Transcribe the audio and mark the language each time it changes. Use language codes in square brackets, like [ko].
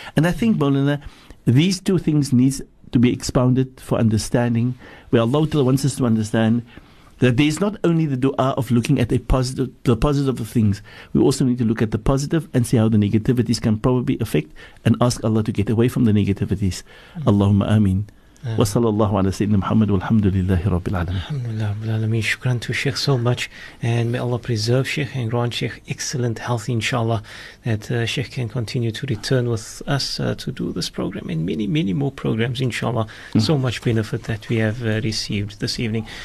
[en] And I think, Mawlana, these two things need to be expounded for understanding, where Allah wants us to understand that there is not only the dua of looking at the positive of things, we also need to look at the positive and see how the negativities can probably affect, and ask Allah to get away from the negativities. Allahumma ameen. [ar] وصلى الله على سيدنا محمد والحمد لله رب العالمين الحمد لله رب العالمين شكرا [en] to Sheikh so much, and may Allah preserve Sheikh and grant Sheikh excellent health inshallah, that Sheikh can continue to return with us to do this program and many many more programs inshallah. So much benefit that we have received this evening.